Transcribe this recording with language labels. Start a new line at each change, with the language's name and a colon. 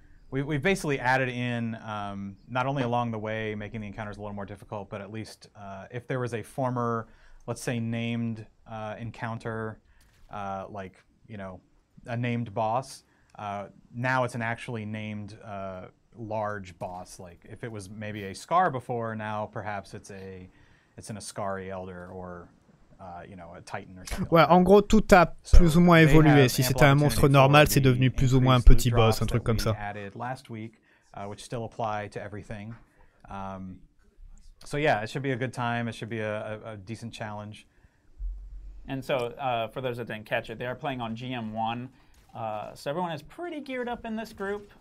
English: We've basically added in, not only along the way, making the encounters a little more difficult, but at least if there was a former, let's say, named encounter, like, you know, a named boss, Now it's an actually named large boss. Like if it was maybe a Scar before, now perhaps it's an Ascari Elder or you know, a Titan or something.
French: Ouais,
English: like
French: en gros, tout a so plus ou moins évolué. Si c'était un monstre normal, c'est devenu plus ou moins un petit boss, un truc comme ça.
English: Added last week, which still apply to everything. So yeah, it should be a good time. It should be a decent challenge. And so, for those that didn't catch it, they are playing on GM1. So everyone is pretty geared up in this group.